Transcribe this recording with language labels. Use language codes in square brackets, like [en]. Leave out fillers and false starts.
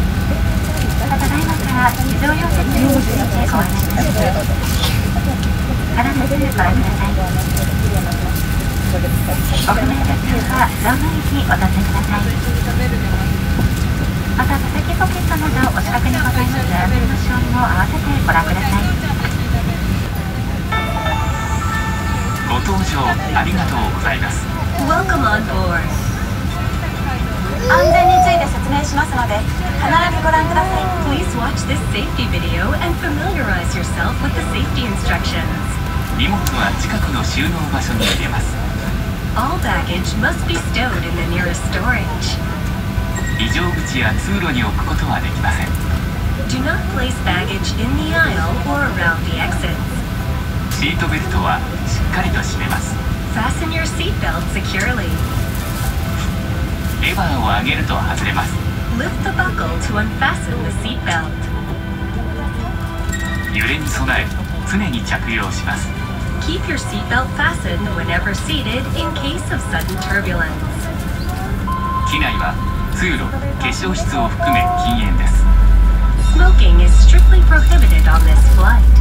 [ja] ただいまから、非常用設備についてご案内します。必ずご覧ください。ご不明な通話、ロング駅お立てください。また、座席ポケットなどお近くにございますアプリの使用にも合わせてご覧ください。ご搭乗ありがとうございます。 [en] Welcome on board. [ja] 安全について説明しますので必ずご覧ください。 [en] Please watch this safety video and familiarize yourself with the safety instructions. [ja] 荷物は近くの収納場所に入れます。 [en] All baggage must be stowed in the nearest storage. [ja] 異常口や通路に置くことはできません。 [en] Do not place baggage in the aisle or around the exit [ja] シートベルトはしっかりと締めます。 [en] Fasten your seat belt securely. [ja] レバーを上げると外れます。 [en] Lift the buckle to unfasten the seat belt. [ja] 揺れに備え、常に着用します。 [en] Keep your seat belt fastened whenever seated in case of sudden turbulence. [ja] 機内は通路、化粧室を含め禁煙です。 [en] Smoking is strictly prohibited on this flight.